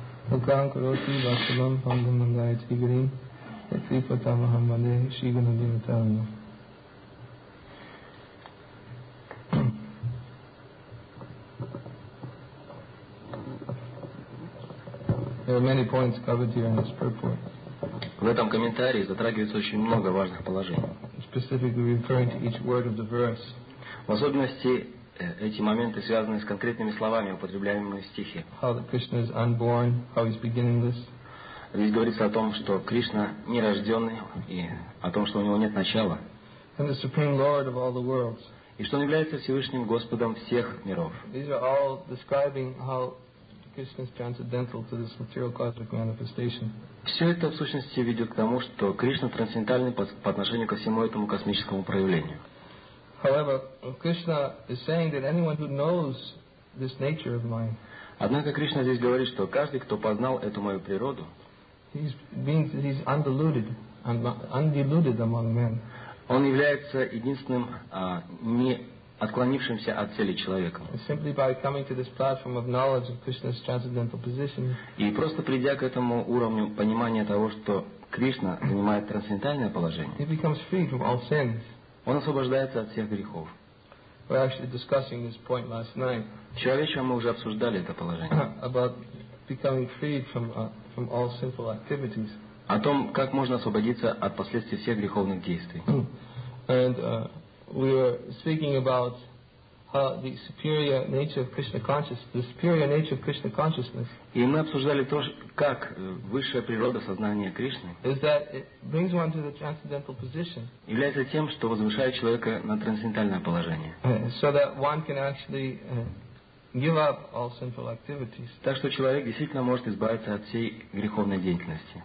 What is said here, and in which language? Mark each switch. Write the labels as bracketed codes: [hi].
[sa] Мукам кроти васалам пандам мандай тигрин Экрипата махамбале шигана димитарна [en] There are many points covered here in this purport. [ru] В этом комментарии затрагивается очень много важных положений. [en] Specifically referring to each word of the verse. [ru] В особенности эти моменты связаны с конкретными словами, употребляемыми в стихе. [en] How that Krishna is unborn, how he's beginning this. [ru] Здесь говорится о том, что Кришна нерожденный и о том, что у него нет начала. [en] And the Supreme Lord of all the worlds. [ru] И что он является Всевышним Господом всех миров. [en] These are all describing how Krishna is transcendental to this material cosmic manifestation. [ru] Все это в сущности ведет к тому, что Кришна трансцендентальный по отношению ко всему этому космическому проявлению. [en] However, Krishna is saying that anyone who knows this nature of mine. [ru] Однако Кришна здесь говорит, что каждый, кто познал эту мою природу, [en] he's undiluted, undiluted among men. [ru] Он является единственным не отклонившимся от цели человеком. [en] Simply by coming to this platform of knowledge of Krishna's transcendental position. [ru] И просто придя к этому уровню понимания того, что Кришна занимает трансцендентальное положение. [en] He becomes free from all sins. [ru] Он освобождается от всех грехов. [en] were actually discussing this point last night. [ru] Вчера вечером мы уже обсуждали это положение. [en] About becoming freed from all sinful activities. [ru] О том, как можно освободиться от последствий всех греховных действий. [en] And we were speaking about how the superior nature of Krishna consciousness, the superior nature of Krishna consciousness. [ru] И мы обсуждали то, как высшая природа сознания Кришны. [en] Is that it brings one to the transcendental position. [ru] Является тем, что возвышает человека на трансцендентальное положение. [en] So that one can actually give up all sinful activities. [ru] Так что человек действительно может избавиться от всей греховной деятельности.